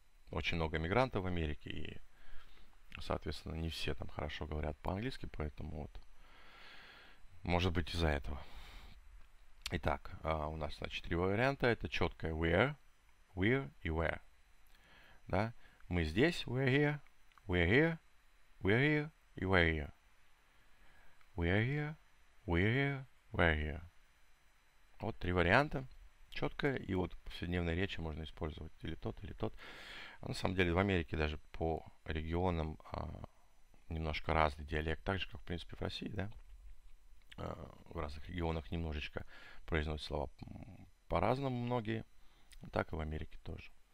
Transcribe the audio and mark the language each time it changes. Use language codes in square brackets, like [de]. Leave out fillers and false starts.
[ru] Очень много иммигрантов в Америке, и соответственно, не все там хорошо говорят по-английски, поэтому вот, может быть, из-за этого. Итак, у нас, значит, три варианта. Это четкое where, where и where. Да? Мы здесь, [en] we're here, we're here, we're here и we're here. We're here, we're here, we're here. [ru] Вот три варианта. Четкое, и вот в повседневной речи можно использовать или тот, или тот. На самом деле в Америке даже по регионам немножко разный диалект, так же, как в принципе в России, да? В разных регионах немножечко произносят слова по-разному многие, так и в Америке тоже.